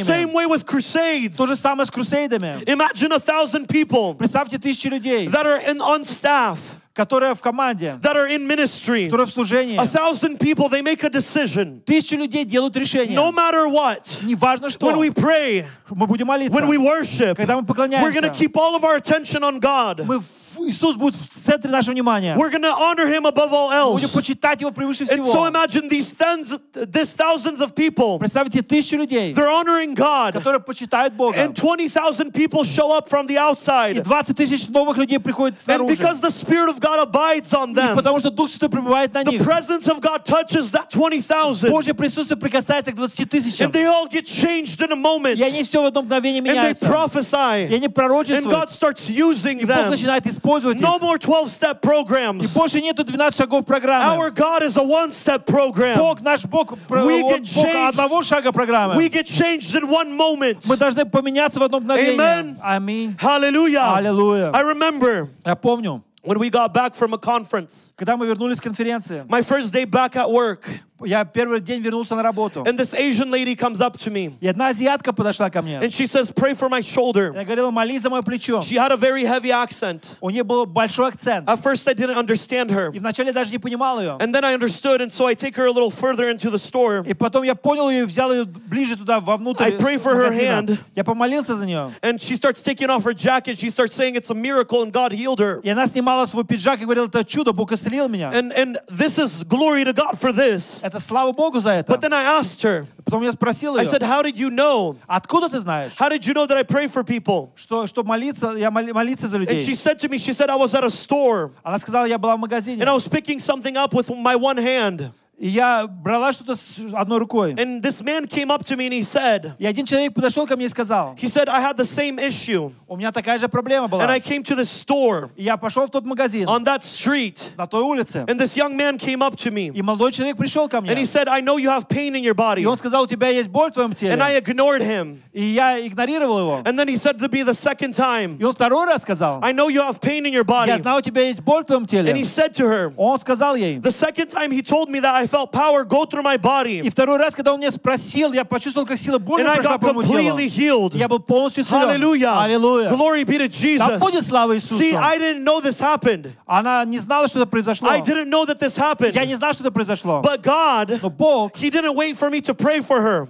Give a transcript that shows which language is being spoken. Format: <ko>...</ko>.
<en>It's the same way with crusades.</en> <ru>То же самое с крусейдами.</ru> <en>Imagine 1,000 people.</en> <ru>Представьте тысячи людей,</ru> <en>that are in on staff,</en> <ru>которые в команде,</ru> <en>that are in ministry,</en> <ru>которые в служении.</ru> <en>1,000 people, they make a decision.</en> <ru>Тысячи людей делают решение.</ru> <en>No matter what,</en> <ru>неважно что.</ru> <en>When we pray,</en> <ru>мы будем молиться.</ru> <en>When we worship,</en> <ru>когда мы поклоняемся,</ru> <en>we're gonna keep all of our attention on God.</en> <ru>Иисус будет в центре нашего внимания.</ru> <en>We're gonna honor him above all else.</en> <ru>Мы будем почитать его превыше всего.</ru> <en>And so imagine these thousands of people.</en> <ru>Представьте тысячи людей.</ru> <en>They're honoring God.</en> <ru>Которые почитают Бога.</ru> <en>And 20,000 people show up from the outside.</en> <ru>И 20 тысяч новых людей приходят снаружи.</ru> <en>And because the Spirit of God abides on them.</en> <ru>И потому что Дух Святой пребывает на них.</ru> <en>The presence of God touches that 20,000.</en> <ru>Божье присутствие прикасается к 20 тысячам.</ru> <en>And they all get changed in a moment.</en> <ru>И они все в одно мгновение меняются.</ru> <en>And they prophesy.</en> <ru>И они пророчествуют.</ru> <en>And God starts using them.</en> <ru>И Бог начинает использовать.</ru> <en>No more 12-step programs.</en> <ru>И больше нету 12 шагов программы.</ru> <en>Our God is a one-step program.</en> <ru>Бог наш Бог.</ru> <en>We get changed.</en> <ru>Одного шага программы.</ru> <en>We get changed in one moment.</en> <ru>Мы должны поменяться в одно мгновение.</ru> <en>Amen.</en> <ru>Аминь.</ru> <en>Hallelujah.</en> <ru>Hallelujah.</ru> <en>I remember.</en> <ru>Я помню.</ru> <en>When we got back from a conference.</en> <ru>Когда мы вернулись с конференции.</ru> <en>My first day back at work.</en> <ru>Я первый день вернулся на работу.</ru> <en>And this Asian lady comes up to me.</en> <ru>И одна азиатка подошла ко мне.</ru> <en>And she says, "Pray for my shoulder."</en> <ru>Она говорила, молись за мое плечо.</ru> <en>She had a very heavy accent.</en> <ru>У нее был большой акцент.</ru> <en>At first, I didn't understand her.</en> <ru>И вначале даже не понимал ее.</ru> <en>And then I understood, and so I take her a little further into the store.</en> <ru>И потом я понял ее и взял ее ближе туда вовнутрь.</ru> <en>I pray for her hand.</en> <ru>Я помолился за нее.</ru> <en>And she starts taking off her jacket. She starts saying, "It's a miracle, and God healed her."</en> <ru>И она снимала свой пиджак и говорила, это чудо, Бог исцелил меня.</ru> <en>And this is glory to God for this.</en> <ru>Слава Богу за это.</ru> <en>But then I asked her.</en> <ru>Потом я спросил ее.</ru> <en>I said, "How did you know?"</en> <ru>Откуда ты знаешь?</ru> <en>How did you know that I pray for people?</en> <ru>Что молиться, я молиться за людей.</ru> <en>And she said to me, she said, "I was at a store."</en> <ru>Она сказала, я была в магазине.</ru> <en>And I was picking something up with my one hand.</en> <ru>И я брала что-то с одной рукой.</ru> <en>And this man came up to me and he said.</en> <ru>И один человек подошел ко мне и сказал.</ru> <en>He said, "I had the same issue."</en> <ru>У меня такая же проблема была.</ru> <en>And I came to the store.</en> <ru>И я пошел в тот магазин.</ru> <en>On that street.</en> <ru>На той улице.</ru> <en>And this young man came up to me.</en> <ru>И молодой человек пришел ко мне.</ru> <en>And he said, "I know you have pain in your body."</en> <ru>И он сказал, у тебя есть боль в твоем теле.</ru> <en>And I ignored him.</en> <ru>И я игнорировал его.</ru> <en>And then he said to me the second time.</en> <ru>И он второй раз сказал.</ru> <en>"I know you have pain in your body."</en> <ru>Я знаю, у тебя есть боль в твоем теле.</ru> <en>And he said to her.</en> <ru>Он сказал ей.</ru> <en>The second time he told me that I felt power go through my body.</en> <ru>И второй раз, когда он меня спросил, я почувствовал, как сила Божья прошла по моему телу.</ru> <en>And I got completely healed.</en> <ru>Я был полностью исцелен.</ru> <en>Hallelujah.</en> <ru>Hallelujah.</ru> <en>Glory be to Jesus.</en> <ru>Да будет слава Иисусу.</ru> <en>See, I didn't know this happened.</en> <ru>Она не знала, что это произошло.</ru> <en>I didn't know that this happened.</en> <ru>Я не знал, что это произошло.</ru> <en>But God,</en> <ru>но Бог,</ru> <en>He didn't wait for me to pray for her.</en>